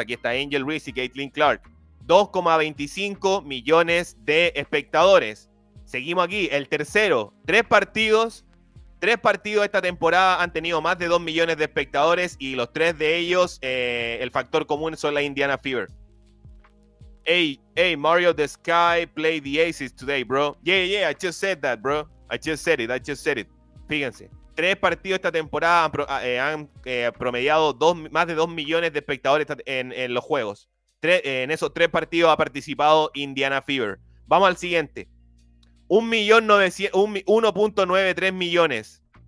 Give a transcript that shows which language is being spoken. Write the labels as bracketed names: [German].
[Spanish] Aquí está Angel Reese y Caitlin Clark. 2,25 millones de espectadores. Seguimos aquí. El tercero, tres partidos esta temporada han tenido más de 2 millones de espectadores y los tres de ellos, el factor común son la Indiana Fever. [English] Hey, Mario the Sky played the Aces today, bro. Yeah, I just said it. [Spanish] Fíjense, tres partidos esta temporada han promediado más de 2 millones de espectadores en los juegos. En esos tres partidos ha participado Indiana Fever. Vamos al siguiente. 1.93 millones.